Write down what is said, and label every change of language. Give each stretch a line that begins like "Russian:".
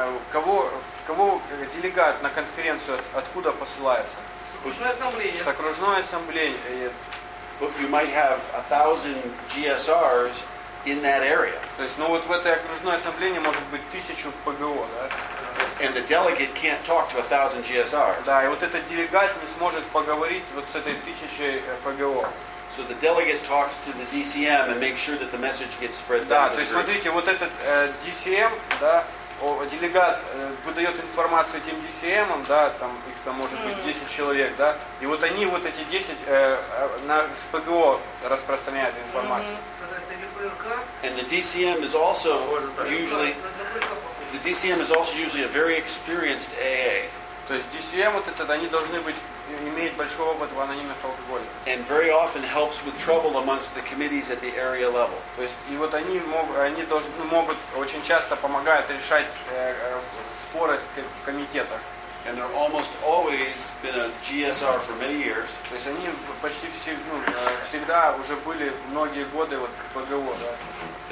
Russian: Кого делегат на конференцию откуда посылается? Ассамблея. С окружной ассамблеей.
English: But you might have 1,000 GSRs in that area.
Russian: То есть, ну вот в этой окружной ассамблее может быть 1,000 ПГО, да?
English: And the delegate can't talk to 1,000 GSRs.
Russian: Да, и вот этот делегат не сможет поговорить вот с этой 1,000 ПГО.
English: So the delegate talks to the DCM and makes sure that the message gets spread.
Russian: Да, то есть смотрите, вот этот DCM, да? Делегат выдает информацию этим DCM, да, там их там может быть 10 человек, да, и вот они вот эти 10 на СПГО распространяют информацию.
English: And the DCM is also usually a very experienced AA.
Russian: То есть DCM вот этот, они должны быть иметь большой опыт в анонимных алкоголиках.
English: And very often helps with trouble amongst the committees at the area level.
Russian: То есть и вот они могут очень часто помогают решать споры в комитетах.
English: And they're almost always been a GSR for many years.
Russian: То есть они почти всегда уже были многие годы вот ПГО, да.